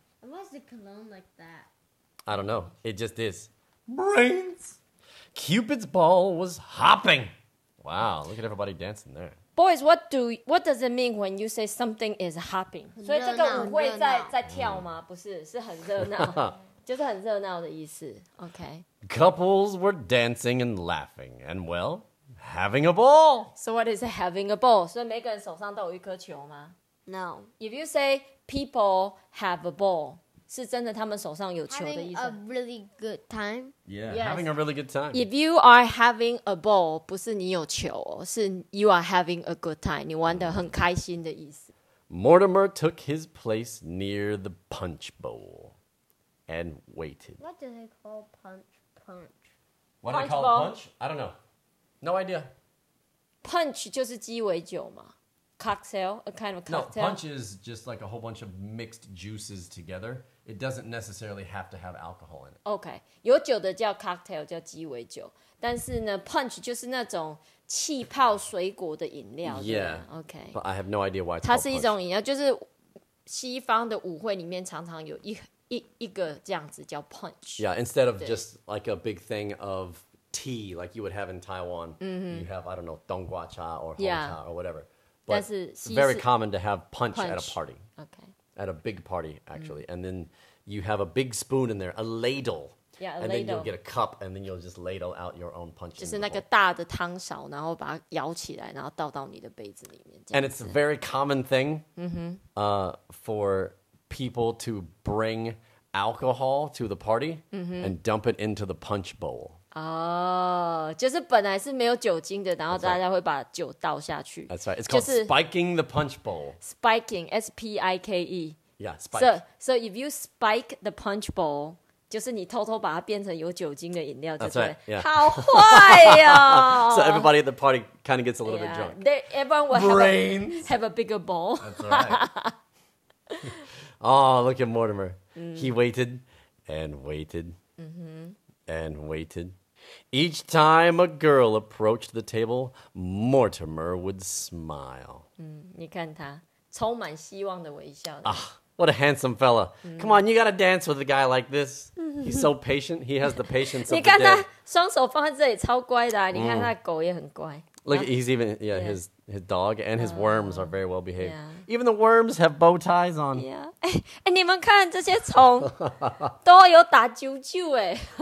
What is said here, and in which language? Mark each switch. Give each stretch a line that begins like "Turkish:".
English: Why is the cologne like that? I don't know. It just is. Brains! Cupid's ball was hopping! Wow, look at everybody dancing there. Boys, what does it mean when you say something is hopping?
Chinese: 所以这个舞会在跳吗？不是，是很热闹，就是很热闹的意思。
English: Okay. Couples were dancing and laughing and, well, having a ball. So what is having a ball?
Chinese: 所以每个人手上都有一颗球吗？
English: No. If you say people have a ball...
Chinese: 是真的他们手上有球的意思。
English: Having a really good time. Yeah, yes. Having a really good time. If you are having a ball, 不是你有球哦，是 you are having a good time. 你玩得很开心的意思。 Mortimer took his place near the punch bowl and waited. What do they call punch? Punch. What do they call punch? I don't know. No idea.
Chinese: Punch 就是鸡尾酒嘛。
English: Cocktail, a kind of cocktail. No, punch is just like a whole bunch of mixed juices together. It doesn't necessarily have to have alcohol in it.
Chinese: Okay, 有酒的叫 cocktail, 叫鸡尾酒。但是呢 punch 就是那种气泡水果的饮料。
English: Yeah. Okay. But I have no idea why it's
Chinese: 它是一种饮料，就是西方的舞会里面常常有一个这样子叫 punch.
English: Yeah, instead of just like a big thing of tea like you would have in Taiwan,、 mm-hmm. you have, I don't know, 冬瓜茶 or hong cha or whatever. But it's very common to have punch at a party. Okay. At a big party, actually. Mm. And then you have a big spoon in there, a ladle. Yeah, and then you'll get a cup, and then you'll just ladle out your own punch.
Chinese: 就是那个大的汤勺，然后把它舀起来，然后倒到你的杯子里面。
English: And it's a very common thing, for people to bring alcohol to the party, and dump it into the punch bowl.
Chinese: 就是本来是没有酒精的，然后大家会把酒倒下去。
English: That's right. It's called spiking the punch bowl. Spiking, S-P-I-K-E. Yeah, spike.
Chinese: So if you spike the punch bowl. 就是你偷偷把它变成有酒精的饮料，就对，好坏呀！
English: So everybody at the party kind of gets a little bit drunk. Everyone will have a bigger bowl. That's right. Oh, look at Mortimer. He waited and waited and waited. Each time a girl approached the table, Mortimer would smile.
Chinese: 你看他充满希望的微笑。
English: What a handsome fella. Come on, you gotta dance with a guy like this. He's so patient. He has the patience of the day.
Chinese: 你看他双手放在这里超乖的啊。你看他的狗也很乖。
English: Look, he's even, his dog and his worms are very well behaved. Yeah. Even the worms have bow ties on. Yeah.
Chinese: 你们看这些虫都有打啾啾耶。